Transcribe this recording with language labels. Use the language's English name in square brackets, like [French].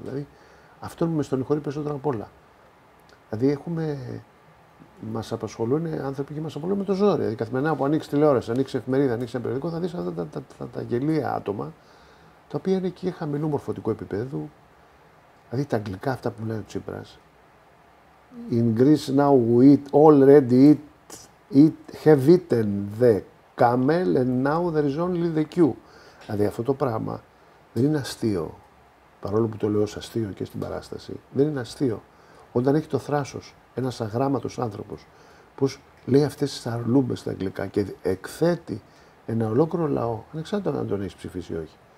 [Greek] Δηλαδή, αυτό με στενοχωρεί περισσότερο από όλα. Δηλαδή, μας απασχολούν άνθρωποι και μας απασχολούν με το ζόρι. Δηλαδή, καθημερινά που ανοίξει τηλεόραση, ανοίξει εφημερίδα, ανοίξει ένα περιοδικό, θα δεις αυτά τα γελία άτομα, τα οποία είναι και χαμηλού μορφωτικού επίπεδου. Δηλαδή, τα αγγλικά αυτά που λέει ο Τσίπρας. [English] In Greece now we eat, already eat, have eaten the camel and now there is only the queue. [Greek] Δηλαδή, αυτό το πράγμα δεν είναι αστείο. Παρόλο που το λέω ως αστείο και στην παράσταση, δεν είναι αστείο. Όταν έχει το θράσος ένας αγράμματος άνθρωπος, που λέει αυτές τις αρλούμπες στα αγγλικά και εκθέτει ένα ολόκληρο λαό, ανεξάρτητα αν τον έχει ψηφίσει ή όχι.